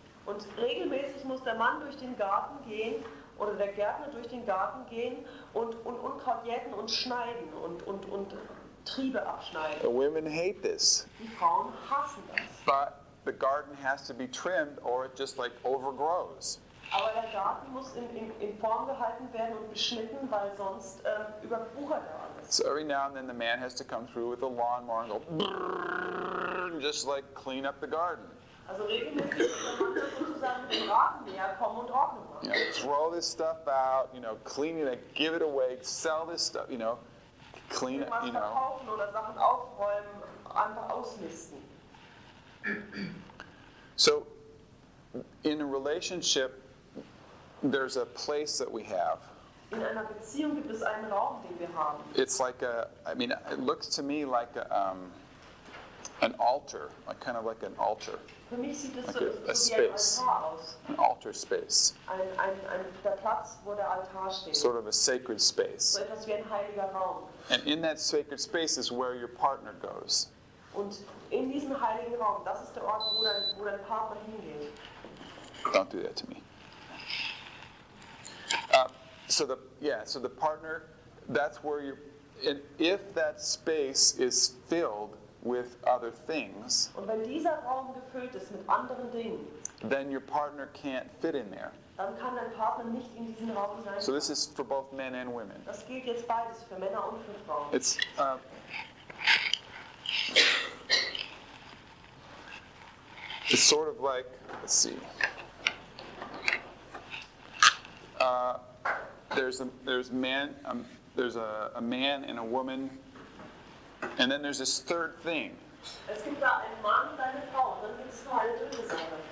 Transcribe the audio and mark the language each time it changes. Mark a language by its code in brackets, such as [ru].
[de] Und regelmäßig muss der Mann durch den Garten gehen, oder der Gärtner durch den Garten gehen und Unkraut jäten und schneiden und Triebe abschneiden. [en] The women hate this. [de] Die Frauen hassen das. [en] But the garden has to be trimmed or it just like overgrows. [de] Aber der Garten muss in Form gehalten werden und beschnitten, weil sonst überwuchert er alles. [en] So every now and then the man has to come through with a lawnmower and go and just like clean up the garden. [de] Also regelmäßig muss der Mann sozusagen mit dem Rasenmäher kommen und Ordnung machen. [en] You know, throw this stuff out, you know, clean it, give it away, sell this stuff, you know, clean it, you know. [de] Verkaufen oder Sachen aufräumen, einfach auslisten. [en] So, in a relationship, there's a place that we have. [de] In einer Beziehung gibt es einen Raum, den wir haben. [en] It's like it looks to me like an altar, like kind of like an altar. [de] Für mich sieht es [en] like [de] so wie [en] space, [de] ein Altar aus. [en] An altar space. [de] Ein der Platz, wo der Altar steht. [en] Sort of a sacred space. [de] So etwas wie ein heiliger Raum. [en] And in that sacred space is where your partner goes. [de] Und in diesem heiligen Raum, das ist der Ort, wo dein Partner hingeht. [en] Don't do that to me. So the partner, that's where you, And if that space is filled with other things, [de] und wenn dieser Raum gefüllt ist mit anderen Dingen, [en] then your partner can't fit in there. [de] Dann kann dein Partner nicht in diesen Raum sein. [en] So this is for both men and women. [de] Das gilt jetzt beides, für Männer und für Frauen. [en] It's, it's sort of like, let's see. There's a man and a woman, and then there's this third thing. [de] Es gibt da einen Mann und eine Frau, und dann gibt's noch eine dritte Sache.